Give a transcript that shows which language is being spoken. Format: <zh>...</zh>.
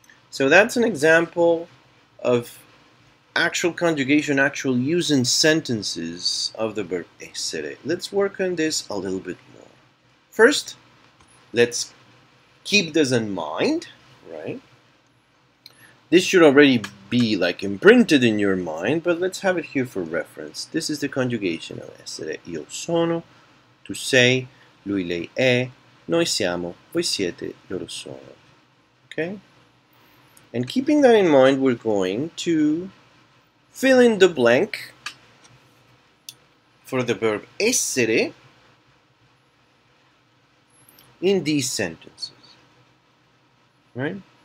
<en>So that's an example of actual conjugation, actual using sentences of the verb essere. Let's work on this a little bit more. First, let's keep this in mind, right? This should already be like imprinted in your mind, but let's have it here for reference. This is the conjugation of essere.</en> <it>Io sono, tu sei, lui, lei è, noi siamo, voi siete, loro sono.</it> <en>Okay? And keeping that in mind, we're going to fill in the blank for the verb essere in these sentences. Right?</en>